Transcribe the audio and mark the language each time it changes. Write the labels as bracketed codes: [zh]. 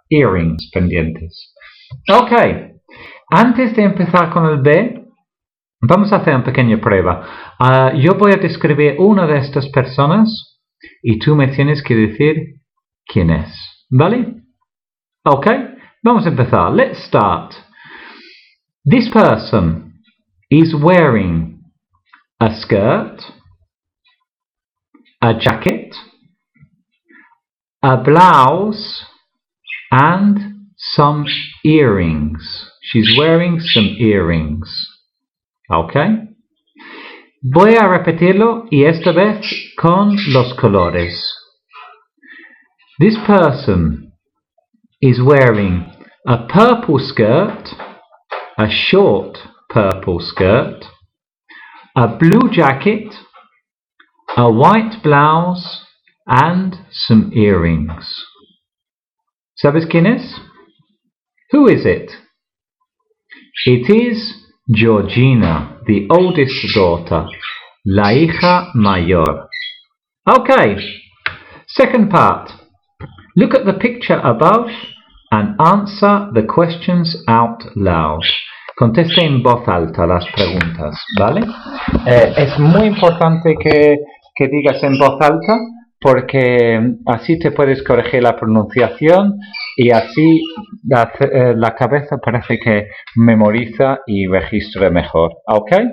[en] Earrings, [es] pendientes. [en] Okay. [es] Antes de empezar con el B, vamos a hacer una pequeña prueba. Yo voy a describir una de estas personas y tú me tienes que decir quién es. ¿Vale? Okay. Vamos a empezar. [en] Let's start. This person is wearing a skirt, a jacket, a blouse, and some earrings. She's wearing some earrings. Okay? [es] Voy a repetirlo y esta vez con los colores. [en] This person is wearing a purple skirt, a short purple skirt, a blue jacket, a white blouse, and some earrings. [es] ¿Sabes quién es? [en] Who is it? It is Georgina, the oldest daughter, [es] la hija mayor. [en] Okay, second part. Look at the picture above and answer the questions out loud. [es] Conteste en voz alta las preguntas, ¿vale? Es muy importante que digas en voz alta porque así te puedes corregir la pronunciación y así la cabeza parece que memoriza y registra mejor, ¿ok?